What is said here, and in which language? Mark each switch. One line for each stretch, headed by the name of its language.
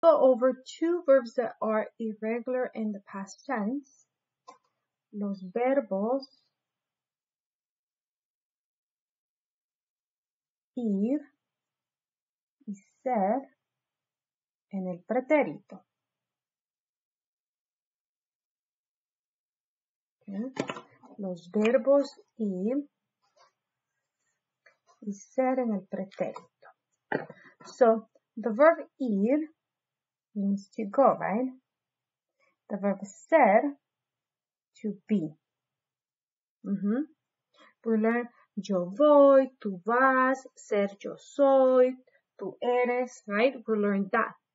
English: Go over two verbs that are irregular in the past tense.
Spanish: Los verbos ir y ser en el pretérito. Okay. Los verbos ir y ser en el pretérito.
English: So, the verb ir means to go, right? The verb ser, to be. We learn
Spanish: yo voy, tú vas, ser yo soy, tú eres,
English: right? We learn that.